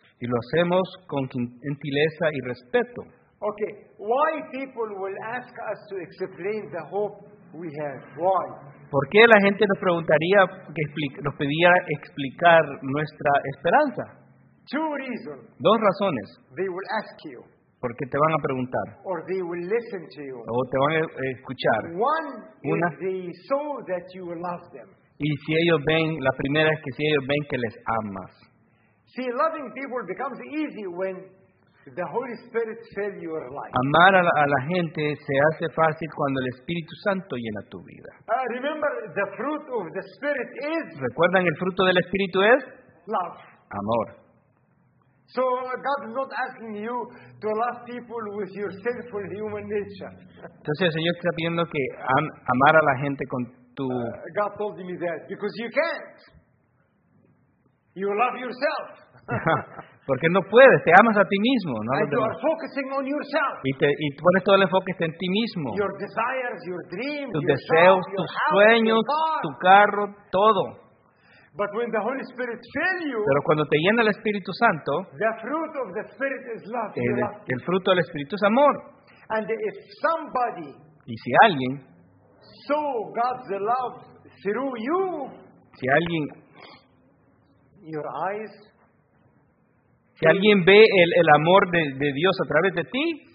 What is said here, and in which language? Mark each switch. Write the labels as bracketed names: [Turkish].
[Spanish] Y lo hacemos con gentileza y respeto. [English] Okay, why people will ask us to explain the hope we have? Why? [Spanish] ¿Por qué la gente nos preguntaría, que nos pedía explicar nuestra esperanza? [English] Two reasons. [Spanish] Dos razones. [English] They will ask you. [Spanish] Porque te van a preguntar. [English] Or they will listen to you. [Spanish] O te van a escuchar. [English] One [Spanish] Una. [English] Is they saw that you love them. [Spanish] Y si ellos ven, la primera es que si ellos ven que les amas. [English] See, loving people becomes easy when the Holy Spirit fills your life. [Spanish] Amar a la gente se hace fácil cuando el Espíritu Santo llena tu vida. [English] Remember, the fruit of the Spirit is. [Spanish] ¿Recuerdan el fruto del Espíritu es? [English] Love. [Spanish] Amor. [English] So God is not asking you to love people with your sinful human nature. [Spanish] Entonces el Señor está pidiendo que amar a la gente con tu. [English] God told me that because you can't. You love yourself. [Spanish] Porque no puedes, te amas a ti mismo, no a los demás. [English] Focusing on yourself. [Spanish] Y pones todo el enfoque en ti mismo. [English] Your desires, your dreams, [Spanish] tus deseos, [English] your house, [Spanish] tus sueños, tu carro, todo. [English] But when the Holy Spirit fills you, [Spanish] pero cuando te llena el Espíritu Santo, [English] the fruit of the Spirit is love. [Spanish] El fruto del Espíritu es amor. [English] And if somebody, [Spanish] y si alguien, [English] saw God's love through you, [Spanish] si alguien, [English] your eyes. [Spanish] Si alguien ve el amor de Dios a través de ti,